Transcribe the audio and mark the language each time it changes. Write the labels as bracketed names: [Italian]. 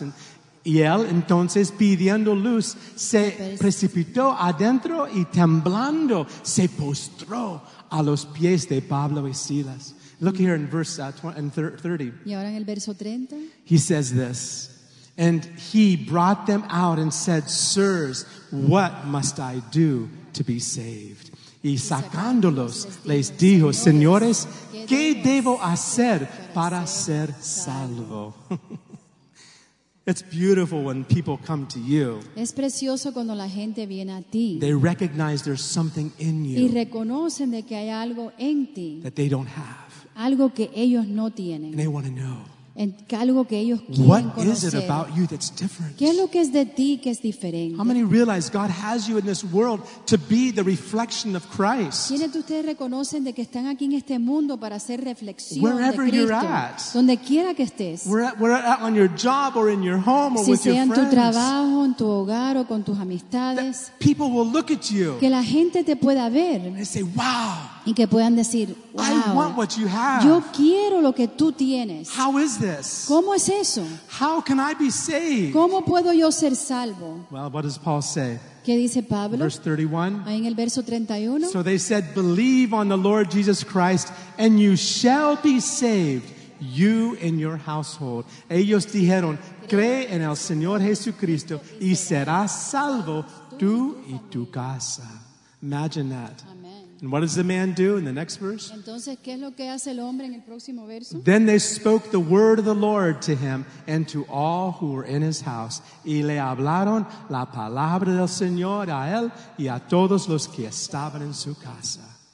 [English] And [Spanish] él entonces pidiendo luz se precipitó adentro y temblando se postró a los pies de Pablo y Silas. [English] Look here in verse 30. [Spanish] Y ahora en el verso 30. [English] He says this. And he brought them out and said, sirs, what must I do to be saved? [Spanish] Y sacándolos les dijo, señores, ¿qué debo hacer para ser salvo? [English] It's beautiful when people come to you. [Spanish] Es precioso cuando la gente viene a ti. [English] They recognize there's something in you. [Spanish] Y reconocen de que hay algo en ti. [English] That they don't have. [Spanish] Algo que ellos no tienen. [English] And they want to know. [Spanish] En algo que ellos quieren [English] what [Spanish] conocer. [English] Is it about you that's different? [Spanish] ¿Qué es lo que es de ti que es diferente? [English] How many realize God has you in this world to be the reflection of Christ? [Spanish] ¿Quiénes de ustedes reconocen de que están aquí en este mundo para hacer reflexión [English] wherever [Spanish] de Cristo? [English] You're at, [Spanish] donde quiera que estés. [English] We're at on your job or in your home or [Spanish] si [English] with your friends. [Spanish] Si sea en tu trabajo, en tu hogar o con tus amistades. [English] That people will look at you. [Spanish] Que la gente te pueda ver. [English] And say, wow. [Spanish] Y que puedan decir, wow, [English] I want what you have. [Spanish] Yo quiero lo que tú tienes. [English] How is this? [Spanish] ¿Cómo es eso? [English] How can I be saved? [Spanish] ¿Cómo puedo yo ser salvo? [English] Well, what does Paul say? [Spanish] ¿Qué dice Pablo? [English] Verse 31. [Spanish] Ahí en el verso 31. [English] So they said, believe on the Lord Jesus Christ and you shall be saved, you and your household. [Spanish] Ellos dijeron, cree en el Señor Jesucristo y serás salvo tú y tu casa. [English] Imagine that. And what does the man do in the next verse? [Spanish] Entonces, ¿qué es lo que hace el hombre en el próximo verso? [English] Then they spoke the word of the Lord to him and to all who were in his house. [Spanish] Y le hablaron la palabra del Señor a él y a todos los que estaban en su casa.